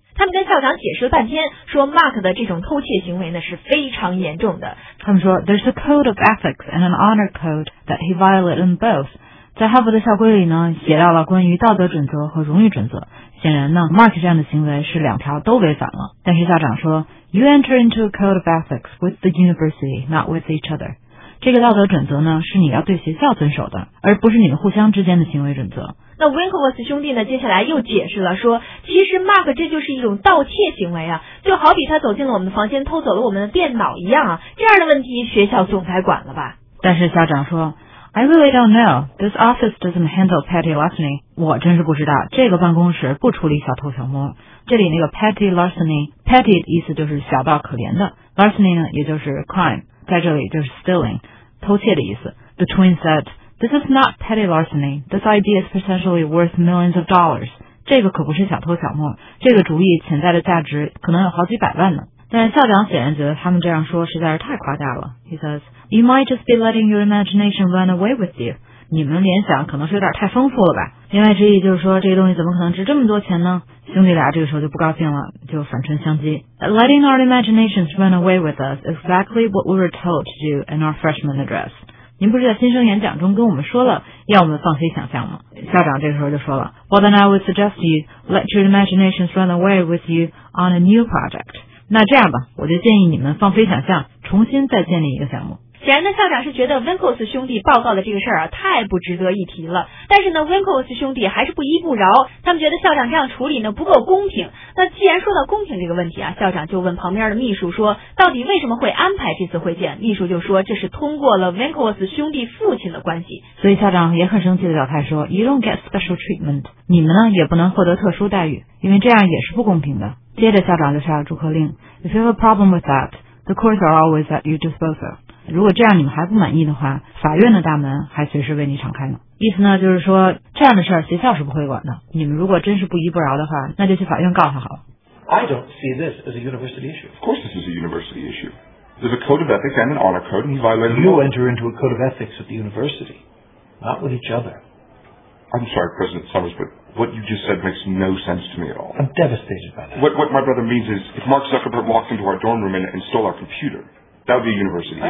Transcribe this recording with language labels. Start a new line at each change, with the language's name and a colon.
Chinese: 他们跟校长解释了半天，说 Mark 的这种偷窃行为呢是非常严重的。他们说
English: ，There's a code of ethics and an honor code that he violated in both.
Chinese: 在哈佛的校规里呢，写到了关于道德准则和荣誉准则。显然呢 ，Mark 这样的行为是两条都违反了。但是校长说 ，
English: You enter into a code of ethics with the university, not with each other。
Chinese: 这个道德准则呢，是你要对学校遵守的，而不是你们互相之间的行为准则。那 Winklevoss 兄弟呢，接下来又解释了说，其实 Mark 这就是一种盗窃行为啊，就好比他走进了我们的房间，偷走了我们的电脑一样啊。这样的问题学校总该管了吧？但是校长说。
English: I really don't know. This office doesn't handle petty larceny.
Chinese: 我真是不知道，这个办公室不处理小偷小摸。这里那个 petty larceny, petty 意思就是小到可怜的， larceny 呢也就是 crime, 在这里就是 stealing, 偷窃的意思。
English: The twin said, This is not petty larceny. This idea is potentially worth millions of dollars.
Chinese: 这个可不是小偷小摸，这个主意潜在的价值可能有好几百万呢。但校长显然觉得他们这样说实在是太夸大了。
English: He says, You might just be letting your imagination run away with you.
Chinese: 你们联想可能是有点太丰富了吧。另外之意就是说这个东西怎么可能值这么多钱呢？兄弟俩这个时候就不高兴了，就反唇相讥。
English: Letting our imaginations run away with us is exactly what we were told to do in our freshman address.
Chinese: 您不是在新生演讲中跟我们说了要我们放飞想象吗？校长这个时候就说了
English: Well then I would suggest you let your imaginations run away with you on a new project.
Chinese: 那这样吧，我就建议你们放飞想象，重新再建立一个项目。显然呢，校长是觉得 Winklevoss 兄弟报告的这个事儿啊，太不值得一提了。但是呢 ，Winklevoss 兄弟还是不依不饶，他们觉得校长这样处理呢不够公平。那既然说到公平这个问题啊，校长就问旁边的秘书说，到底为什么会安排这次会见？秘书就说，这是通过了 Winklevoss 兄弟父亲的关系。所以校长也很生气的表态说 ，
English: You don't get special treatment，
Chinese: 你们呢也不能获得特殊待遇，因为这样也是不公平的。接着校长就下了祝贺令
English: If you have a problem with that, the courts are always at your disposal.
Chinese: 如果这样你们还不满意的话，法院的大门还随时为你敞开呢。意思呢就是说这样的事儿学校是不会管的，你们如果真是不依不饶的话，那就去法院告他好了。
English: I don't see this as a university issue. Of course this is a university issue. There's a code of ethics and an honor code and you violate them. You enter into a code of ethics at the university, not with each other. I'm sorry, President Summers, butWhat you just said makes no sense to me at all. I'm devastated by that. What my brother means is, if Mark Zuckerberg walked into our dorm room and stole our computer, that would be a university issue.